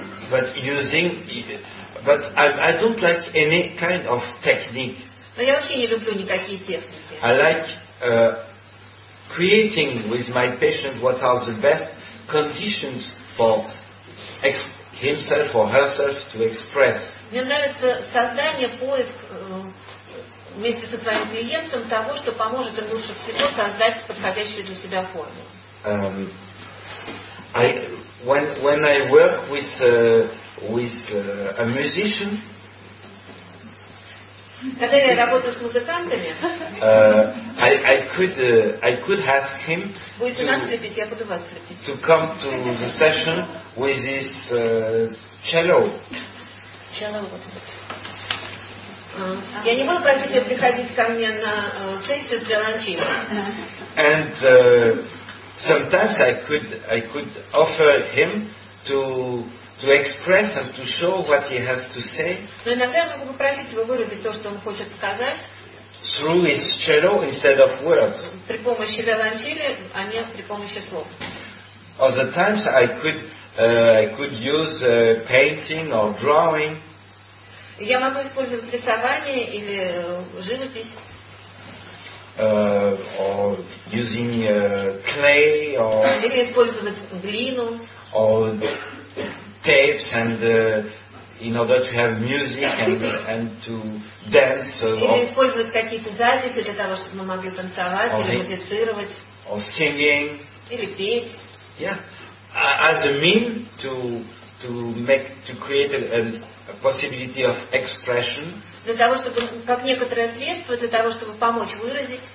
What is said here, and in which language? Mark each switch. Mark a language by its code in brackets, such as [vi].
[en] But I don't like any kind of technique. [ru] Но я вообще не люблю никакие техники. [en] I like creating with my patient what are the best conditions for himself or herself to express. [ru] Мне нравится создание, поиск вместе со своим клиентом того, что поможет им лучше всего создать подходящую для себя форму. [en] When I work with a musician, [ru] когда я работаю с музыкантами, [en] I could ask him to come to the session with his cello. Cello. [ru] Я не буду просить его приходить ко мне на сессию с виолончелью. [en] And sometimes I could offer him to express and to show what he has to say. [ru] Но иногда я могу попросить его выразить то, что он хочет сказать. [en] Through his cello instead of words. [ru] При помощи виолончели, а не при помощи слов. [en] Other times I could use painting or drawing. [ru] Я могу использовать рисование или живопись. [en] Or using clay or. [ru] Или использовать глину. [en] Or tapes and in order to have music and to dance. [ru] Или использовать какие-то записи для того, чтобы мы могли танцевать или музицировать. [en] Or singing. [ru] Или петь. [en] Yeah, as a mean to create a possibility of expression. [ru] Для того, чтобы, как некоторое средство, для того, чтобы помочь выразить.